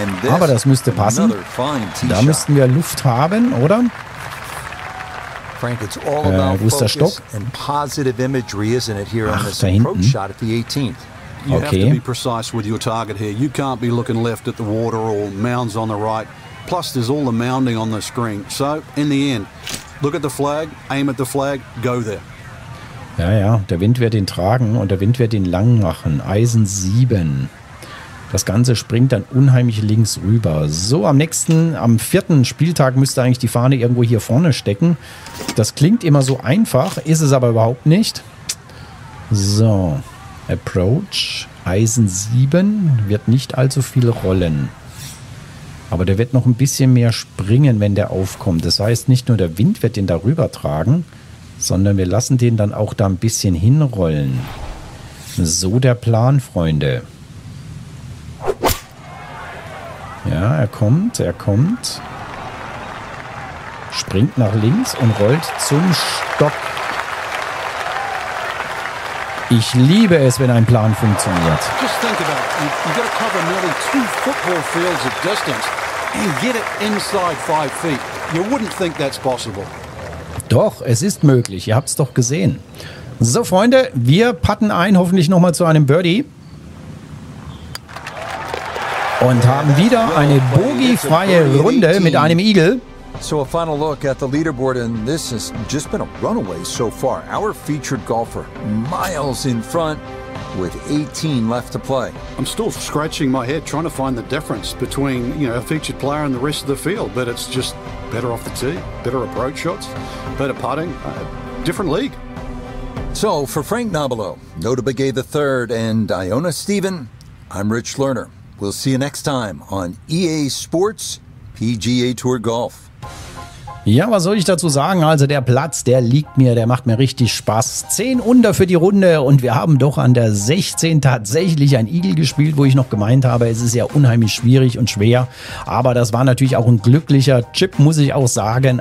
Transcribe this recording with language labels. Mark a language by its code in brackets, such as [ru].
[de] Aber das müsste passen. Da müssten wir Luft haben, oder? [en] Frank, it's all about [de] wo ist der Stock? [en] Positive imagery, isn't it, here? [de] Ach, [en] on this [de] da hinten. [en] Shot at the 18th. You [de] okay. [en] Have to be precise with your target here. You can't be looking left at the water or mounds on the right. Plus, there's all the mounding on the screen. So, in the end, look at the flag, aim at the flag, go there. [de] Ja, ja, der Wind wird ihn tragen und der Wind wird ihn lang machen. Eisen 7. Das Ganze springt dann unheimlich links rüber. So, am vierten Spieltag müsste eigentlich die Fahne irgendwo hier vorne stecken. Das klingt immer so einfach, ist es aber überhaupt nicht. So, Approach. Eisen 7 wird nicht allzu viel rollen. Aber der wird noch ein bisschen mehr springen, wenn der aufkommt. Das heißt, nicht nur der Wind wird den darüber tragen, sondern wir lassen den dann auch da ein bisschen hinrollen. So der Plan, Freunde. Ja, er kommt. Springt nach links und rollt zum Stock. Ich liebe es, wenn ein Plan funktioniert. [en] Just think about it. You've got to cover nearly 2 football fields of distance and get it inside 5 feet. You wouldn't think that's possible. [de] Doch, es ist möglich. Ihr habt es doch gesehen. So, Freunde, wir putten ein, hoffentlich nochmal zu einem Birdie. Und haben wieder eine bogeyfreie Runde mit einem Eagle. [en] So a final look at the leaderboard, and this has just been a runaway so far. Our featured golfer miles in front with 18 left to play. I'm still scratching my head trying to find the difference between, you know, a featured player and the rest of the field, but it's just better off the tee, better approach shots, better putting, different league. So for Frank Nabilo, Nota Begay III, and Iona Stephen, I'm Rich Lerner. We'll see you next time on EA Sports PGA Tour Golf. [de] Ja, was soll ich dazu sagen? Also der Platz, der liegt mir, der macht mir richtig Spaß. 10 Under für die Runde und wir haben doch an der 16 tatsächlich ein Eagle gespielt, wo ich noch gemeint habe, es ist ja unheimlich schwierig und schwer. Aber das war natürlich auch ein glücklicher Chip, muss ich auch sagen.